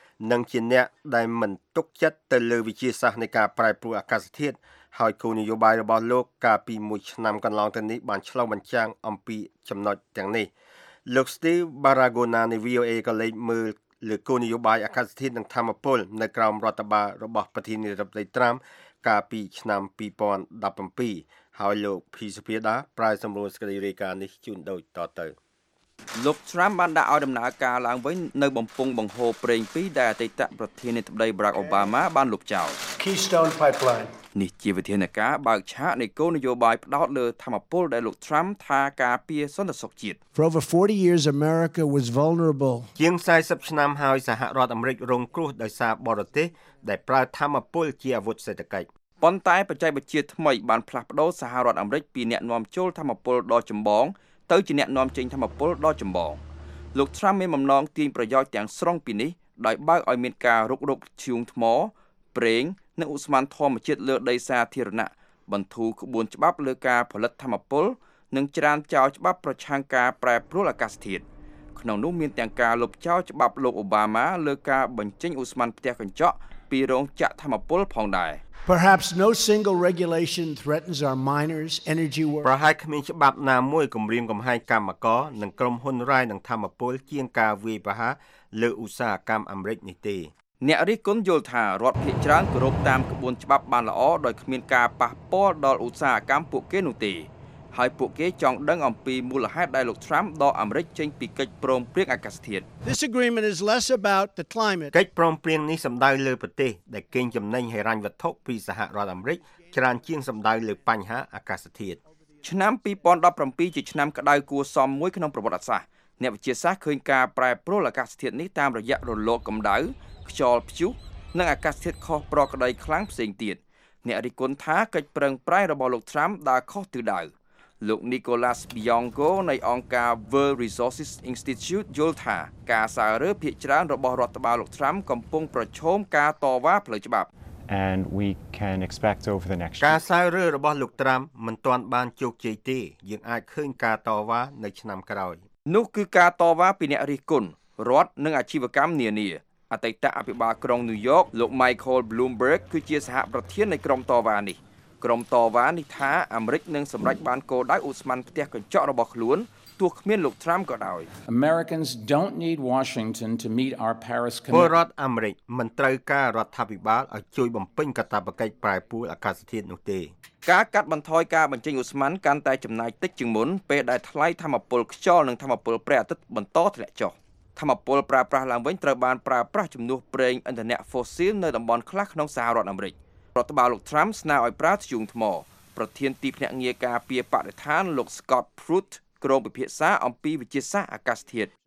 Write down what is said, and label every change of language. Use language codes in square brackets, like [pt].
[km] និងជាអ្នកដែលមិនទុកចិត្តទៅលើវិទ្យាសាស្ត្រនៃការប្រែប្រួលអាកាសធាតុហើយគោលនយោបាយរបស់លោកកាលពីមួយឆ្នាំកន្លងទៅនេះបានឆ្លងបញ្ចាំងអំពីចំណុចទាំងនេះលោកស្ទីវបារ៉ាហ្គូណានៃ VOA ក៏លើកមើលលើគោលនយោបាយអាកាសធាតុនិងធម្មពលនៅក្រោមរដ្ឋបាលរបស់ប្រធានាធិបតី Trump កាលពីឆ្នាំ2017ហើយលោកភីសុភាដាប្រាយសម្រួលសេចក្តីរាយការណ៍នេះជូនដូចតទៅ លោក Trump បានដាក់ឲ្យដំណើរការឡើងវិញនៅបំពង់បង្ហូរប្រេង2ដែលអតីតប្រធានាធិបតី Barack Obama បានលុបចោល [en] Keystone Pipeline [km] នេះជាវិធានការបើកឆាកនៃគោលនយោបាយផ្ដោតលើធម្មពលដែលលោក Trump ថាការពារសន្តិសុខជាតិ [en] For over 40 years America was vulnerable [km] ជាង40ឆ្នាំហើយសហរដ្ឋអាមេរិករងគ្រោះដោយសារបរទេសដែលប្រើធម្មពលជាអាវុធសេដ្ឋកិច្ច ប៉ុន្តែបច្ចេកវិទ្យាថ្មីបានផ្លាស់ប្ដូរសហរដ្ឋអាមេរិកពីអ្នកនាំចូលធម្មពលដ៏ចម្បងទៅជាអ្នកនាំចេញធម្មពលដ៏ចម្បងលោក Trump មានបំណងទាញប្រយោជន៍ទាំងស្រុងពីនេះដោយបើកឲ្យមានការរុករកឈូងថ្មប្រេងនៅឧស្ម័នធម្មជាតិលើដីសាធារណៈបន្ធូរក្បួនច្បាប់លើការផលិតធម្មពលនិងច្រានចោលច្បាប់ប្រឆាំងការប្រែប្រួលអាកាសធាតុក្នុងនោះមានទាំងការលុបចោលច្បាប់លោកអូបាម៉ាលើការបញ្ចេញឧស្ម័នផ្ទះកញ្ចក់ ពីរោងចក្រធម្មពលផងដែរ [en] Perhaps no single regulation threatens our miners energy workers [km] ប្រហែលគ្មានច្បាប់ណាមួយគំរាមកំហែងកម្មករនិងក្រុមហ៊ុនរ៉ែនិងធម្មពលជាងការវាយប្រហារលើឧស្សាហកម្មអាមេរិកនេះទេ អ្នករិះគន់យល់ថារដ្ឋភាគច្រើនគោរពតាមក្បួនច្បាប់បានល្អដោយគ្មានការប៉ះពាល់ដល់ឧស្សាហកម្មពួកគេនោះទេហើយពួកគេចង់ដឹងអំពីមូលហេតុដែលលោកត្រាំដកអាមេរិកចេញពីកិច្ចព្រមព្រៀងអាកាសធាតុ [en] This agreement is less about the climate [km] កិច្ចព្រមព្រៀងនេះសំដៅលើប្រទេសដែលគេចំណេញហិរញ្ញវត្ថុពីសហរដ្ឋអាមេរិកច្រើនជាងសំដៅលើបញ្ហាអាកាសធាតុ ឆ្នាំ2017ជាឆ្នាំក្តៅគួរសមមួយក្នុងប្រវត្តិសាស្ត្រអ្នកវិទ្យាសាស្ត្រឃើញការប្រែប្រួលអាកាសធាតុនេះតាមរយៈរលកកម្ដៅខ្យល់ព្យុះនិងអាកាសធាតុខុសប្រក្រតីខ្លាំងផ្សេងទៀតអ្នករិះគន់ថាកិច្ចប្រឹងប្រែងរបស់លោកត្រាំដើរខុសទិសដៅលោក Nicolas Bianco នៃអង្គការ World Resources Institute យល់ថាការសាររើភាគច្រើនរបស់រដ្ឋបាលលោកត្រាំកំពុងប្រឈមការតវ៉ាផ្លូវច្បាប់ [en] And we can expect over the next [km] ការសាររើរបស់លោកត្រាំមិនទាន់បានជោគជ័យទេយើងអាចឃើញការតវ៉ានៅឆ្នាំក្រោយ នោះគឺការតវ៉ាពីអ្នករិះគន់រដ្ឋនិងអាជីវកម្មនានាអតីតអភិបាលក្រុងញូវយ៉កលោក Michael Bloomberg គឺជាសហប្រធាននៃក្រុមតវ៉ានេះក្រុមតវ៉ានេះថាអាមេរិកនឹងសម្រេចបានគោលដៅឧស្ម័នផ្ទះកញ្ចក់របស់ខ្លួនទោះគ្មានលោកត្រាំក៏ដោយ [en] Americans don't need Washington to meet our Paris commitment [km] ពលរដ្ឋអាមេរិកមិនត្រូវការរដ្ឋាភិបាលឲ្យជួយបំពេញកាតព្វកិច្ចប្រែប្រួលអាកាសធាតុនោះទេ ការកាត់បន្ថយការបញ្ចេញឧស្ម័នកាន់តែចំណាយតិចជាងមុនពេលដែលថ្លៃធម្មពលខ្យល់និងធម្មពលព្រះអាទិត្យបន្តធ្លាក់ចុះធម្មពលប្រើប្រាស់ឡើងវិញត្រូវបានប្រើប្រាស់ជំនួសប្រេងឥន្ធនៈ Fossil នៅតំបន់ខ្លះក្នុងសហរដ្ឋអាមេរិករដ្ឋបាលលោកត្រាំស្នើឲ្យប្រើធ្យូងថ្មប្រធានទីភ្នាក់ងារការពារបរិស្ថានលោក Scott Pruitt ក្រុមពិភាក្សាអំពីវិទ្យាសាស្ត្រអាកាសធាតុ